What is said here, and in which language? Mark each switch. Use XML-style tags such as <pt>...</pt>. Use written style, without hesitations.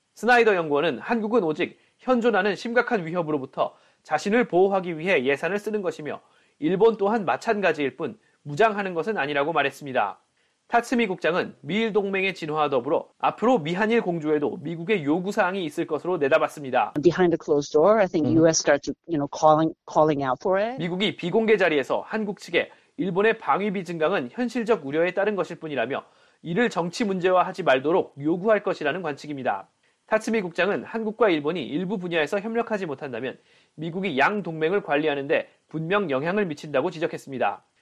<ko>스나이더 연구원은 한국은 오직 현존하는 심각한 위협으로부터 자신을 보호하기 위해 예산을 쓰는 것이며 일본 또한 마찬가지일 뿐 무장하는 것은 아니라고 말했습니다. 타츠미 국장은 미일 동맹의 진화와 더불어 앞으로 미한일 공조에도 미국의 요구 사항이 있을 것으로 내다봤습니다.</ko> <en>Behind a closed door, I think US starts, you know, calling out for it.</en> <ko>미국이 비공개 자리에서 한국 측에 일본의 방위비 증강은 현실적 우려에 따른 것일 뿐이라며 이를 정치 문제화하지 말도록 요구할 것이라는 관측입니다. 타츠미 국장은 한국과 일본이 일부 분야에서 협력하지 못한다면 미국이 양 동맹을 관리하는데 분명 영향을 미친다고 지적했습니다.</ko>